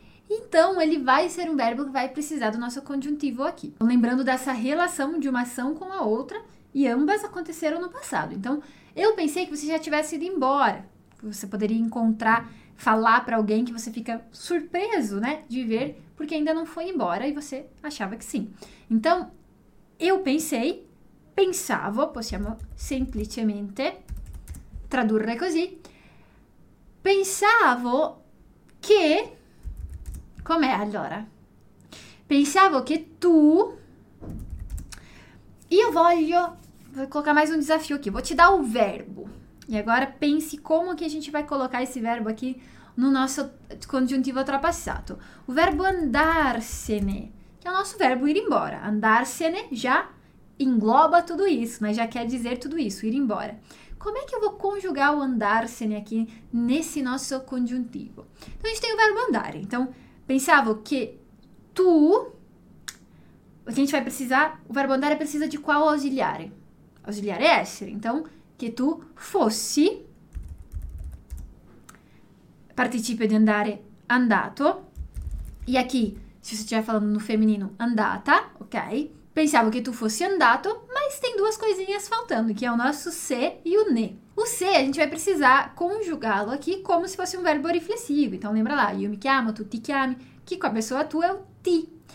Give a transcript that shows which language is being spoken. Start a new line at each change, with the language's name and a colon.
Portuguese: Então, ele vai ser um verbo que vai precisar do nosso conjuntivo aqui. Lembrando dessa relação de uma ação com a outra, e ambas aconteceram no passado. Então, eu pensei que você já tivesse ido embora. Você poderia encontrar, falar para alguém que você fica surpreso, né, de ver, porque ainda não foi embora e você achava que sim. Então, eu pensei,
Italian: pensavo, possiamo semplicemente tradurre così, pensavo che, com'è allora? Pensavo che tu,
Portuguese: vou colocar mais um desafio aqui, vou te dar o verbo. E agora pense como que a gente vai colocar esse verbo aqui no nosso conjuntivo ultrapassato. O verbo andarsene, que é o nosso verbo ir embora. Andarsene já engloba tudo isso, né? Já quer dizer tudo isso, ir embora. Como é que eu vou conjugar o andarsene aqui nesse nosso conjuntivo? Então a gente tem o verbo andare. Então, pensavo que tu. A gente vai precisar. O verbo andare precisa de qual ausiliare? Ausiliare essere. Então,
Italian: che tu fossi, participio di andare, andato.
Portuguese: E aqui, se você estiver falando no feminino, andata, ok?
Italian: Pensavo che tu fossi andato,
Portuguese: mas tem duas coisinhas faltando, que é o nosso se e o ne. O se a gente vai precisar conjugá-lo aqui como se fosse um verbo reflexivo. Então lembra lá,
Italian: io mi chiamo, tu ti chiami,
Portuguese: que com a pessoa tu é o ti.